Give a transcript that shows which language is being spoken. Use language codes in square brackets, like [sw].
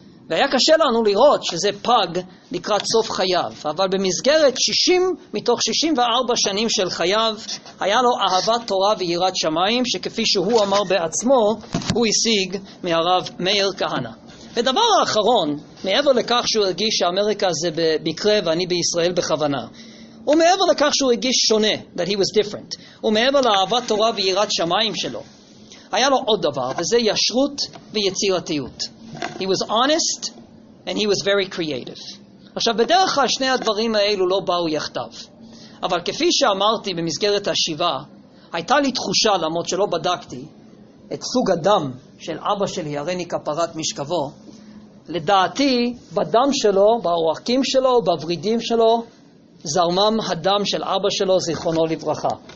[he] והיה קשה לנו לראות שזה פג לקראת סוף חייו, אבל במסגרת 60 מתוך 64 שנים של חייו, היה לו אהבת תורה ויראת שמיים, שכפי שהוא אמר בעצמו, הוא השיג מהרב מאיר כהנה. ודבר האחרון, מעבר לכך שהוא הרגיש שאמריקה זה במקרה ואני בישראל בכוונה, ומעבר לכך שהוא הרגיש שונה, [en] that he was different, [he] ומעבר לאהבת תורה ויראת שמיים שלו, היה לו עוד דבר, וזה ישרות ויצירתיות. [en] He was honest and he was very creative. [he] עכשיו בדרך כלל שני הדברים האלו לא באו יחדיו. אבל כפי שאמרתי במסגרת השיבה, הייתה לי תחושה, למרות שלא בדקתי, את סוג הדם של אבא שלי, הרני כפרת משכבו, לדעתי בדם שלו, באורחים שלו, בברידים שלו, זרמם הדם של אבא שלו, זיכרונו לברכה.